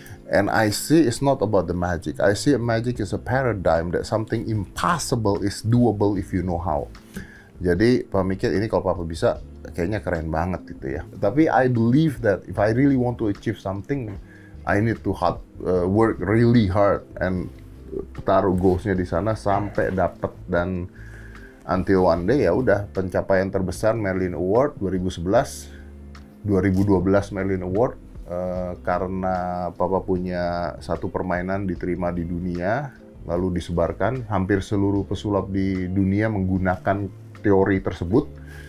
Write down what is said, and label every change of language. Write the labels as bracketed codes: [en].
[en] And I see it's not about the magic. I see magic is a paradigm that something impossible is doable if you know how. [id] Jadi Papa mikir ini kalau Papa bisa kayaknya keren banget gitu ya. Tapi [en] I believe that if I really want to achieve something, I need to hard, work really hard and [id] taruh goals-nya di sana sampai dapet. Dan [en] until one day [id] ya udah pencapaian terbesar Merlin Award 2011, 2012 Merlin Award karena Papa punya satu permainan diterima di dunia lalu disebarkan hampir seluruh pesulap di dunia menggunakan teori tersebut.